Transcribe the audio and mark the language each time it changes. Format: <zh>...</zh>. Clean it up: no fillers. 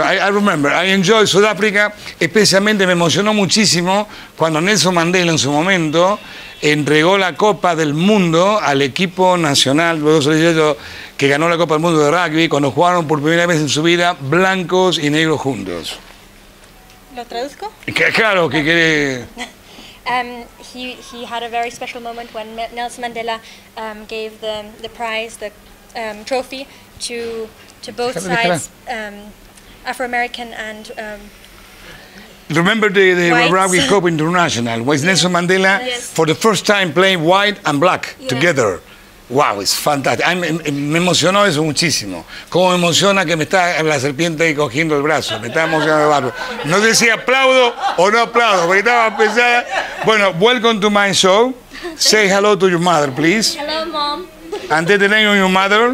<en>I remember, I enjoy</en> <es>Sudáfrica, especialmente me emocionó muchísimo cuando Nelson Mandela en su momento entregó la Copa del Mundo al equipo nacional, que ganó la Copa del Mundo de rugby cuando jugaron por primera vez en su vida blancos y negros juntos. ¿Lo traduzco? Que, claro, que quiere...</es> <en>He had a very special moment when Nelson Mandela gave the prize, the trophy, to both sides, Afro-American and... Remember the rugby Cup International, was Nelson Mandela for the first time playing white and black together. Wow, it's fantastic.</en> <es>Me emocionó eso muchísimo. Como me emociona que me está la serpiente ahí cogiendo el brazo. Me está emocionando el barro. No sé si aplaudo o no aplaudo, porque estaba pensada.</es> <en>Bueno, welcome to my show. Say hello to your mother, please. Hello, mom. And the name of your mother?</en>